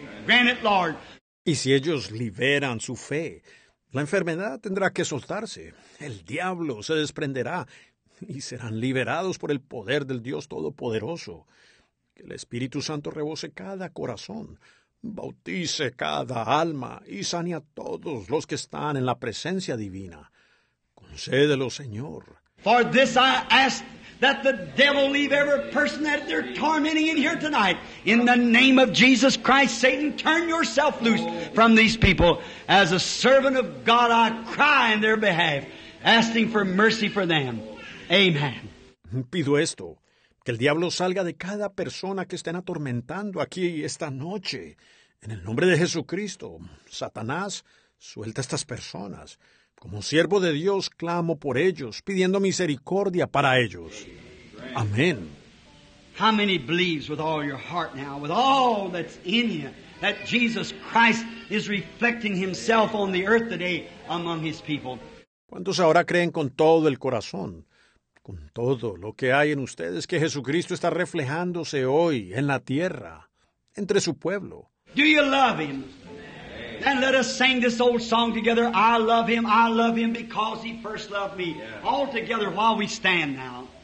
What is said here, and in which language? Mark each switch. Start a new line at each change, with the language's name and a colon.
English: Grant it, Lord.
Spanish: Y si ellos liberan su fe, la enfermedad tendrá que soltarse. El diablo se desprenderá y serán liberados por el poder del Dios Todopoderoso. Que el Espíritu Santo rebose cada corazón, bautice cada alma y sane a todos los que están en la presencia divina. Concédelo, Señor.
English: For this I ask that the devil leave every person that they're tormenting in here tonight. In the name of Jesus Christ, Satan, turn yourself loose from these people. As a servant of God, I cry in their behalf, asking for mercy for them. Amen.
Spanish: Pido esto, que el diablo salga de cada persona que estén atormentando aquí esta noche. En el nombre de Jesucristo, Satanás, suelta a estas personas. Como siervo de Dios, clamo por ellos, pidiendo misericordia para ellos. Amén.
English: How many believes with all your heart now, with all that's in you, that Jesus Christ is reflecting himself on the earth today among his people?
Spanish: ¿Cuántos ahora creen con todo el corazón, con todo lo que hay en ustedes, que Jesucristo está reflejándose hoy en la tierra, entre su pueblo?
English: Do you love him? And let us sing this old song together. I love him because he first loved me. Yeah. All together while we stand now.